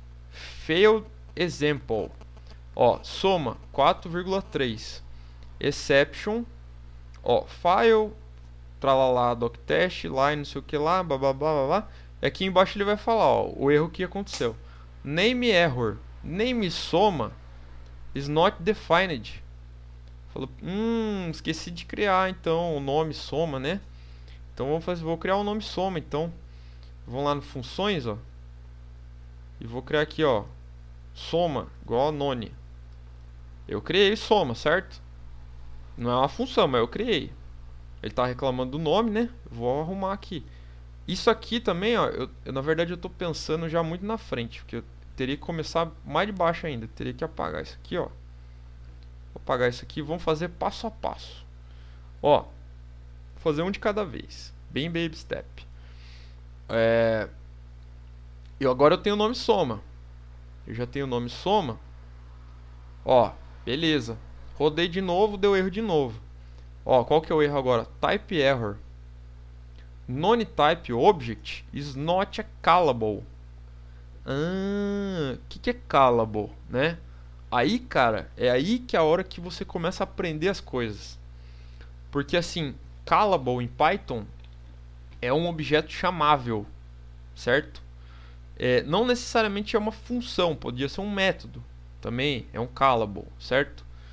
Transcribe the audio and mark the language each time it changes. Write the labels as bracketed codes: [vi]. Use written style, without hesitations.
[en] Fail example. Ó, soma 4,3. Exception. [pt] Ó, file, tralala, doc test, lá, não sei o que lá, blá blá blá blá blá. Aqui embaixo ele vai falar, ó, o erro que aconteceu. [en] Name error. Name soma is not defined. [pt] Falou, esqueci de criar então o nome soma, né? Então vou criar o nome soma então. Vou lá no funções, ó. E vou criar aqui, ó, soma igual a none. Eu criei soma, certo? Não é uma função, mas eu criei. Ele tá reclamando do nome, né? Vou arrumar aqui. Isso aqui também, ó, na verdade eu tô pensando já muito na frente, porque eu teria que começar mais de baixo ainda, teria que apagar isso aqui, ó. Vou apagar isso aqui, vamos fazer passo a passo. Ó, fazer um de cada vez, bem baby step. E agora eu tenho o nome soma. Eu já tenho o nome soma. Ó, beleza. Rodei de novo, deu erro de novo. Ó, qual que é o erro agora? Type error. [en] NoneType object is not a callable. [pt] Ah, que é callable, né? Aí, cara, é aí que é a hora que você começa a aprender as coisas. Porque assim, callable em Python é um objeto chamável, certo? Não necessariamente é uma função, podia ser um método também, é um callable, certo?